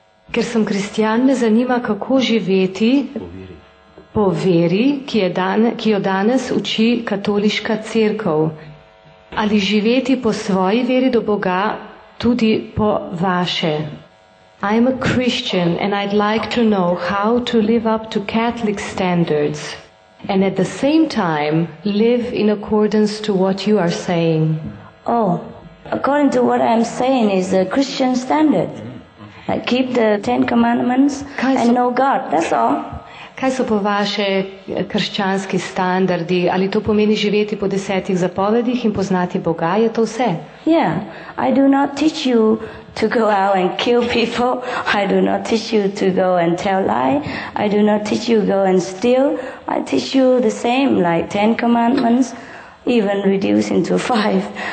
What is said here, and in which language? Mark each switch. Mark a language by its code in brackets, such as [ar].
[sl] Ker sem kristjan, me zanima, kako živeti po veri, ki jo danes uči katoliška cerkev. Ali živeti po svoji veri do Boga, tudi po vaše? [en] I am a Christian and I'd like to know how to live up to Catholic standards and at the same time live in accordance to what you are saying. Oh, according to what I'm saying is a Christian standard. I keep the Ten Commandments and know God, that's all. [sl] Kaj so po vaše krščanski standardi? Ali to pomeni živeti po desetih zapovedih in poznati Boga? Je to vse? [en] Yeah, I do not teach you to go out and kill people. I do not teach you to go and tell lie. I do not teach you to go and steal. I teach you the same, like Ten Commandments, even reducing to five.